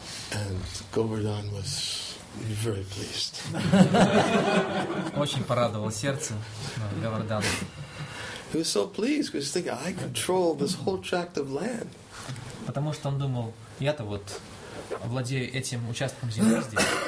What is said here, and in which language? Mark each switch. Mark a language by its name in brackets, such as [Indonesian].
[English] And Govardhan was very pleased. [Russian] Очень порадовало сердце Говардана. [English] He was so pleased because he's thinking, "I control this whole tract of land." [Russian] Потому что он думал, я-то вот владею этим участком земли здесь.